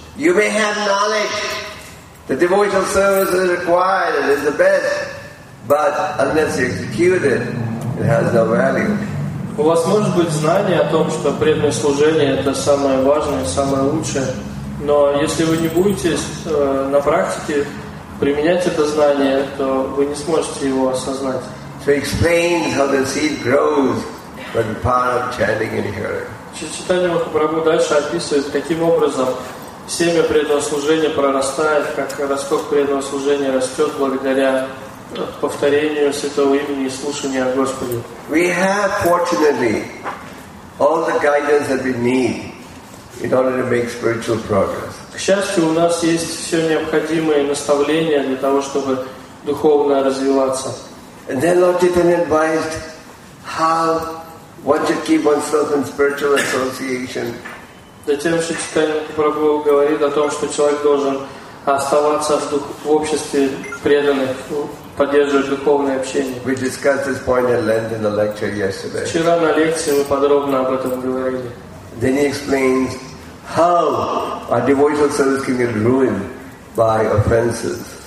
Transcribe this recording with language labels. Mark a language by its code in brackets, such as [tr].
[en] You may have knowledge that devotional service is required and is the best, but unless you execute it, it has no value. [ru] У вас может быть знание о том, что преданное служение — это самое важное, самое лучшее, но если вы не будете на практике применять это знание, то вы не сможете его осознать. [en] So explains how the seed grows by the power of chanting and hearing. [ru] Чайтанья Махапрабху дальше описывает, каким образом семя преданного служения прорастает, как росток преданного служения растет благодаря повторению святого имени и слушанию о Господе. [en] We have, fortunately, all the guidance that we need in order to make spiritual progress. [ru] К счастью, у нас есть все необходимые наставления для того, чтобы духовно развиваться. [en] And then Lord Chaitanya advised how one should keep oneself in spiritual association. [ru] Затем Шри Чайтанья Махапрабху говорит о том, что человек должен оставаться в обществе преданных, поддерживать духовное общение. [en] We discussed this point at length in the lecture yesterday. [ru] Вчера на лекции мы подробно об этом говорили. [en] Then he explains how our devotional service can get ruined by offenses.